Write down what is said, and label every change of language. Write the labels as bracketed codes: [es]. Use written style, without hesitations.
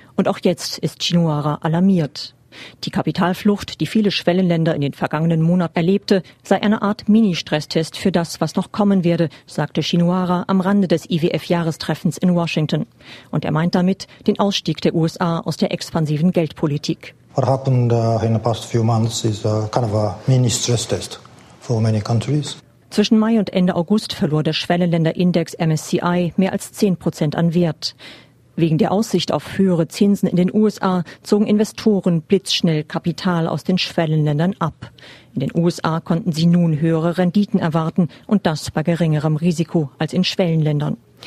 [de] Und auch jetzt ist Shinohara alarmiert. Die Kapitalflucht, die viele Schwellenländer in den vergangenen Monaten erlebte, sei eine Art Mini-Stresstest für das, was noch kommen werde, sagte Shinohara am Rande des IWF-Jahrestreffens in Washington. Und er meint damit den Ausstieg der USA aus der expansiven Geldpolitik. [en] What happened in the past few months is a kind of a mini-Stresstest for many countries. [de] Zwischen Mai und Ende August verlor der Schwellenländerindex MSCI mehr als 10% an Wert. Wegen der Aussicht auf höhere Zinsen in den USA zogen Investoren blitzschnell Kapital aus den Schwellenländern ab. In den USA konnten sie nun höhere Renditen erwarten und das bei geringerem Risiko als in Schwellenländern.